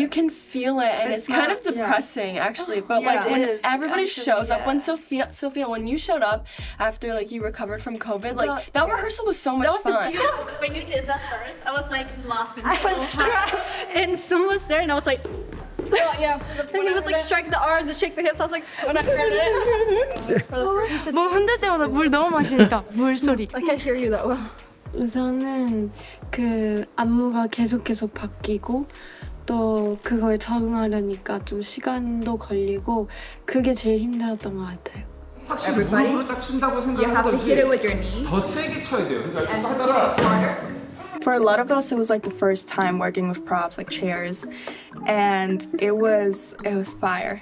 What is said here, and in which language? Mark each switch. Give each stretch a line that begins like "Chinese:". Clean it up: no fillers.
English: You can feel it, and it's kind of depressing, actually. But yeah, like, when everybody shows up, when Sophia, when you showed up after like you recovered from COVID, like that rehearsal was so much fun. When you did that first, I was like laughing. I was stressed, and someone was there, and I was like. Yeah, he was like strike the arms and shake the hips. I was like, when I heard it.
Korean: 뭐 흔들 때마다 물 너무 마시니까 물 소리.
English: I can't hear you that well.
Korean: 우선은 그 안무가 계속해서 바뀌고 또 그거에 적응하려니까 좀 시간도 걸리고 그게 제일 힘들었던 것 같아요. 확실히 몸으로 딱 춘다고 생각하든지 더 세게 쳐야 돼요. 그러니까
English: For a lot of us, it was like the first time working with props, like chairs, and it was fire.